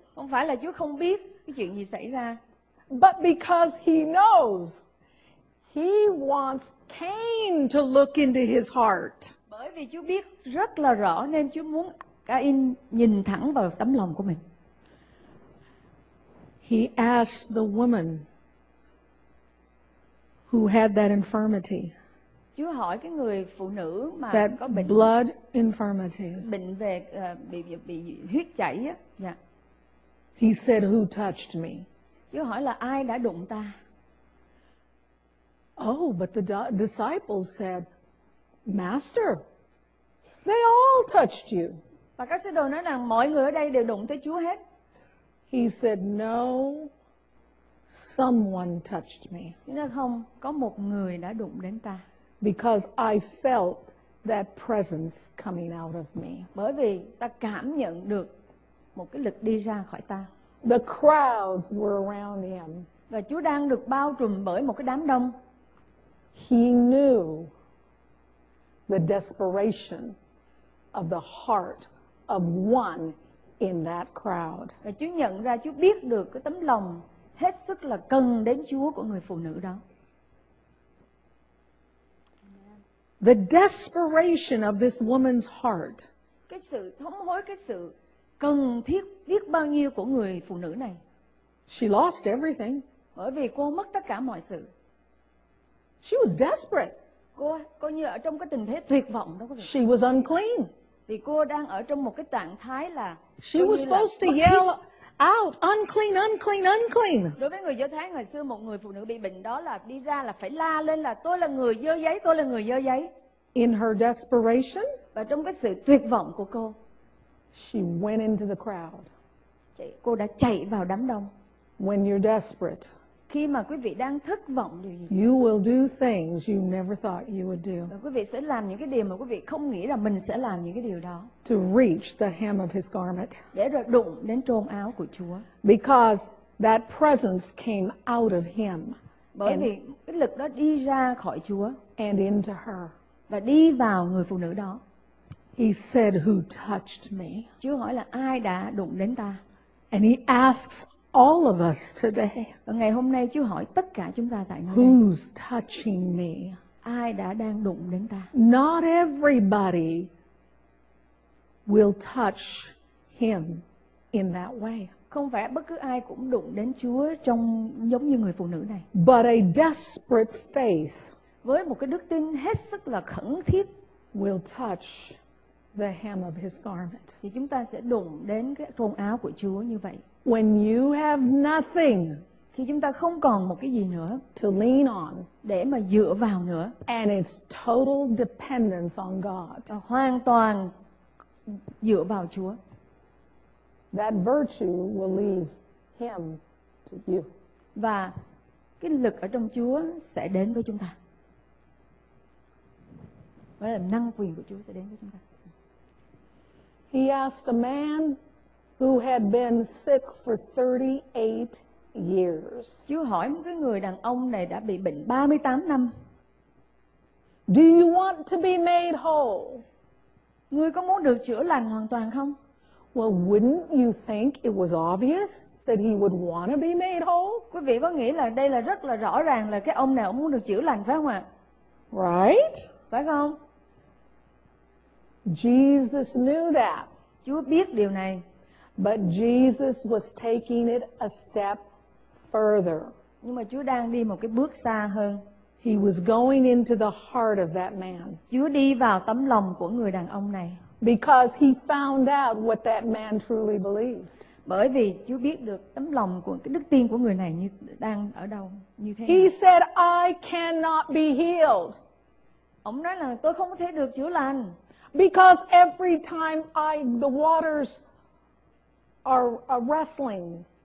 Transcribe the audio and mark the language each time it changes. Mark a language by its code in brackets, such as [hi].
[vi] Không phải là Chúa không biết cái chuyện gì xảy ra. [en] But because he knows. He wants Cain to look into his heart. [vi] Bởi vì Chúa biết rất là rõ nên Chúa muốn Cain nhìn thẳng vào tấm lòng của mình. [en] He asked the woman who had that infirmity. [vi] Chúa hỏi cái người phụ nữ mà [en] that [vi] có bệnh [en] blood infirmity. [vi] Bệnh về bị huyết chảy á. Yeah. [en] He said who touched me. [vi] Chúa hỏi là ai đã đụng ta. [en] Oh, but the disciples said, Master, they all touched you. [vi] Và các sứ đồ nói rằng mọi người ở đây đều đụng tới Chúa hết. [en] He said, no, someone touched me. [vi] Chúa nói không, có một người đã đụng đến ta. [en] Because I felt that presence coming out of me. [vi] Bởi vì ta cảm nhận được một cái lực đi ra khỏi ta. [en] The crowds were around him. [vi] Và Chúa đang được bao trùm bởi một cái đám đông. [en] He knew the desperation of the heart of one in that crowd. [vi] Và Chúa nhận ra, Chúa biết được cái tấm lòng hết sức là cần đến Chúa của người phụ nữ đó. [en] The desperation of this woman's heart. [vi] Cái sự thống hối, cái sự cần thiết biết bao nhiêu của người phụ nữ này. [en] She lost everything. [vi] Bởi vì cô mất tất cả mọi sự. [en] She was desperate. [vi] Cô coi như ở trong cái tình thế tuyệt vọng đó. [en] She was unclean. [vi] Vì cô đang ở trong một cái trạng thái là [en] she was supposed to yell out, unclean, unclean, unclean. [vi] Đối với người Do Thái ngày xưa, một người phụ nữ bị bệnh đó là đi ra là phải la lên là tôi là người dơ giấy, tôi là người dơ giấy. [en] In her desperation. [vi] Và trong cái sự tuyệt vọng của cô. [en] She went into the crowd. [vi] Cô đã chạy vào đám đông. [en] When you're desperate. [vi] Khi mà quý vị đang thất vọng điều gì? [en] You will do things you never thought you would do. [vi] Và quý vị sẽ làm những cái điều mà quý vị không nghĩ là mình sẽ làm những cái điều đó. [en] To reach the hem of his garment. [vi] Để rồi đụng đến trôn áo của Chúa. [en] Because that presence came out of him. [vi] Bởi vì cái lực đó đi ra khỏi Chúa. [en] And into her. [vi] Và đi vào người phụ nữ đó. [en] He said, "Who touched me?" [vi] Chúa hỏi là ai đã đụng đến ta? [en] And he asks all of us today. [vi] Và ngày hôm nay Chúa hỏi tất cả chúng ta tại nơi. [en] Who's touching me? [vi] Ai đã đang đụng đến ta? [en] Not everybody will touch him in that way. [vi] Không phải bất cứ ai cũng đụng đến Chúa trong giống như người phụ nữ này. [en] But a desperate faith. [vi] Với một cái đức tin hết sức là khẩn thiết. [en] Will touch the hem of his garment. [vi] Thì chúng ta sẽ đụng đến cái thôn áo của Chúa như vậy. [en] When you have nothing, [vi] khi chúng ta không còn một cái gì nữa [en] to lean on, [vi] để mà dựa vào nữa, [en] and it's total dependence on God, [vi] hoàn toàn dựa vào Chúa, [en] that virtue will leave him to you. [vi] Và cái lực ở trong Chúa sẽ đến với chúng ta. Và là năng quyền của Chúa sẽ đến với chúng ta. [en] He asked a man who had been sick for 38 years. [vi] Chúa hỏi một cái người đàn ông này đã bị bệnh 38 năm. [en] Do you want to be made whole? [vi] Ngươi có muốn được chữa lành hoàn toàn không? [en] Well, wouldn't you think it was obvious that he would want to be made whole? [vi] Quý vị có nghĩ là đây là rất là rõ ràng là cái ông này ông muốn được chữa lành phải không ạ? [en] Right? [vi] Phải không? [en] Jesus knew that. [vi] Chúa biết điều này. [en] But Jesus was taking it a step further. [vi] Nhưng mà Chúa đang đi một cái bước xa hơn. [en] He was going into the heart of that man. [vi] Chúa đi vào tấm lòng của người đàn ông này. [en] Because he found out what that man truly believed. [vi] Bởi vì Chúa biết được tấm lòng của cái đức tin của người này như đang ở đâu như thế. [en] He said, "I cannot be healed." [vi] Ông nói là tôi không có thể được chữa lành. [en] Because every time the waters are wrestling.